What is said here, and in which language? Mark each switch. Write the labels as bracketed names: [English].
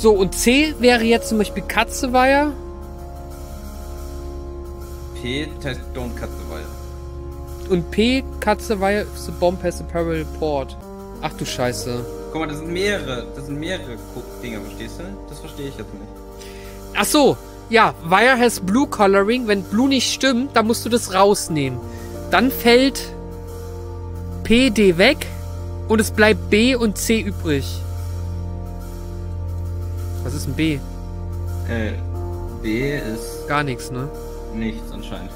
[German] So, und C wäre jetzt zum Beispiel Katzeweiher. P, Test und Katzeweiher. Und P, Katzeweiher, [English] the bomb has a parallel port. [German] Ach du Scheiße. Guck mal, das sind mehrere Dinger, verstehst du? Das verstehe ich jetzt nicht. Ach so, ja, [English] Wire has blue coloring. [German] Wenn blue nicht stimmt, dann musst du das rausnehmen. Dann fällt P, D weg und es bleibt B und C übrig. Was ist ein B? B ist... Gar nichts, ne? Nichts anscheinend.